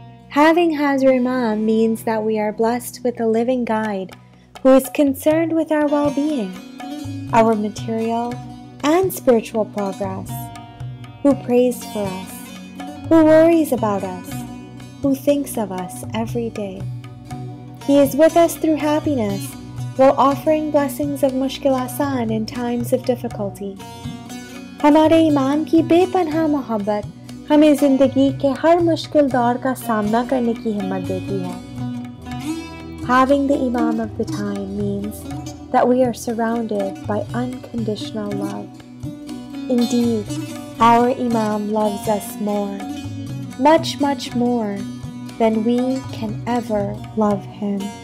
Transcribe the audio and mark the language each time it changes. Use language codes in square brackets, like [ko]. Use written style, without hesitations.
[en] Having Hazrat Imam means that we are blessed with a living guide who is concerned with our well-being, our material and spiritual progress, who prays for us, who worries about us, who thinks of us every day. He is with us through happiness while offering blessings of mushkil asan in times of difficulty. [ur] ہمارے امام کی بےپناہ محبت ہمے زندگی کے ہر مشکل دور کا سامنا کرنے کی ہمت دیتی ہے۔ [en] Having the imam of the time means that we are surrounded by unconditional love. Indeed, our Imam loves us more, much, much more than we can ever love him.